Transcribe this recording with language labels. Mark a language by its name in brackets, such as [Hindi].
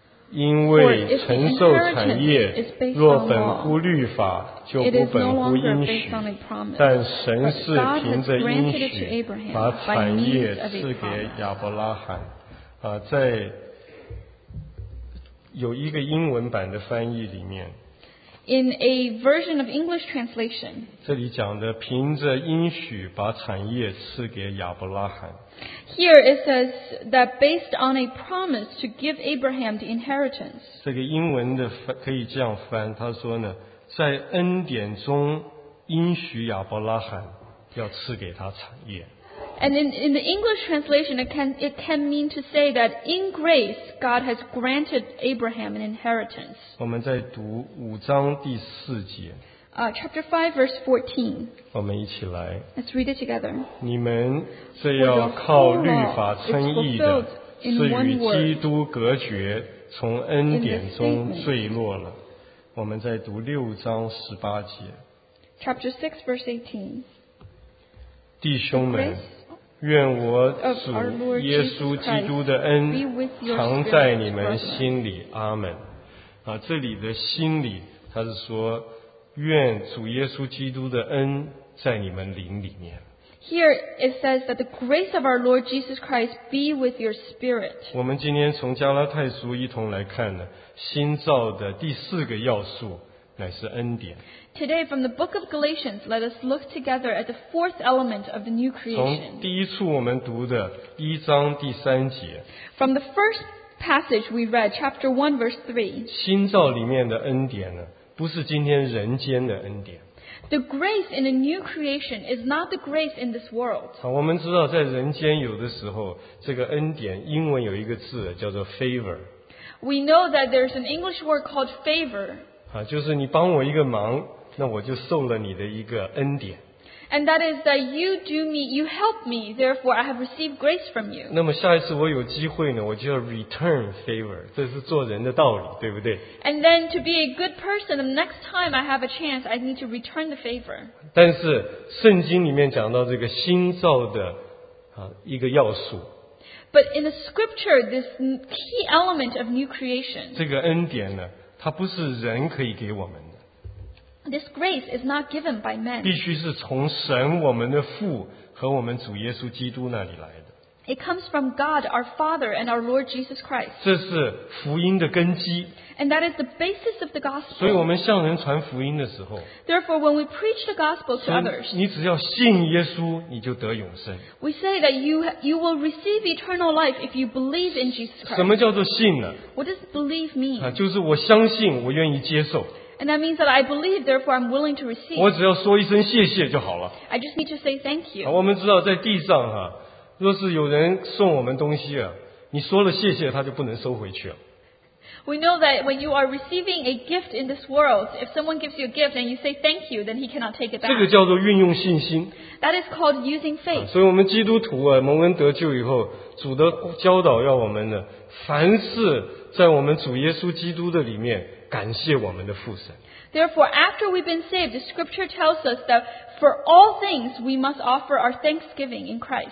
[Chinese] 因为承受产业若本乎律法, 就不本乎应许, 但神是凭着应许, 把产业赐给亚伯拉罕。在有一个英文版的翻译里面, [English] In a version of English translation, [Chinese] 这里讲的, 凭着应许, 把产业赐给亚伯拉罕。 [English] Here it says that based on a promise to give Abraham the inheritance. [Chinese] 这个英文的可以这样翻, 他说呢, 在恩典中应许亚伯拉罕要赐给他产业。 [English] And in the English translation, it can mean to say that in grace, God has granted Abraham an inheritance. [Chinese] 我们再读五章第四节。 [English] Chapter 5, verse 14. [Chinese] 我们一起来。 [English] Let's read it together. [Chinese] 你们这要靠律法称义的, 是与基督隔绝, 从恩典中坠落了。我们再读六章十八节。 [English] Chapter 6, verse 18. [Chinese] 弟兄们, 愿我主耶稣基督的恩 常在你们心里, 阿们。这里的心里, 他是说, 愿主耶稣基督的恩在你们灵里面。 [English] Here it says that the grace of our Lord Jesus Christ be with your spirit. [Chinese] 我们今天从加拉太书一同来看呢, 新造的第四个要素乃是恩典。 [English] Today from the book of Galatians, let us look together at the fourth element of the new creation. [Chinese] 从第一处我们读的一章第三节。 [English] From the first passage we read, chapter 1 verse 3. [Chinese] 新造里面的恩典呢, 不是今天人间的恩典。 [English] The grace in a new creation is not the grace in this world. [Chinese] 我们知道在人间有的时候, 这个恩典英文有一个字, 叫做favor。 [English] We know that there's an English word called favor. [Chinese] 就是你帮我一个忙, 那我就受了你的一个恩典。 [English] And that is that you do me, you help me, therefore I have received grace from you. [Chinese] 那么下一次我有机会呢, 我就要 [English] return favor, [Chinese] 这是做人的道理, 对不对? [English] And then to be a good person, the next time I have a chance, I need to return the favor. [Chinese] 但是圣经里面讲到这个新造的, 一个要素, [English] but in the scripture, this key element of new creation, [Chinese] 这个恩典呢, 它不是人可以给我们, [English] this grace is not given by men. [Chinese] 必须是从神, 我们的父, 和我们主耶稣基督那里来的。 [English] It comes from God, our Father, and our Lord Jesus Christ. [Chinese] 这是福音的根基。 [English] And that is the basis of the gospel. [Chinese] 所以我们向人传福音的时候, [English] therefore, when we preach the gospel to others, [Chinese] 你只要信耶稣, 你就得永生。 [English] We say that you will receive eternal life if you believe in Jesus Christ. [Chinese] 什么叫做信呢? [English] What does believe mean? [Chinese] 就是我相信, 我愿意接受。 [English] And that means that I believe, therefore I'm willing to receive. [Chinese] 我只要说一声谢谢就好了。 [English] I just need to say thank you. [Chinese] 我们知道在地上啊, 若是有人送我们东西啊, 你说了谢谢, 他就不能收回去了。 [English] We know that when you are receiving a gift in this world, if someone gives you a gift and you say thank you, then he cannot take it back. [Chinese] 这个叫做运用信心。 [English] That is called using faith. [Chinese] 所以我们基督徒啊, 蒙恩得救以后, 主的教导要我们呢, 凡事在我们主耶稣基督的里面, 感谢我们的父神。 [English] Therefore, after we've been saved, the scripture tells us that for all things, we must offer our thanksgiving in Christ.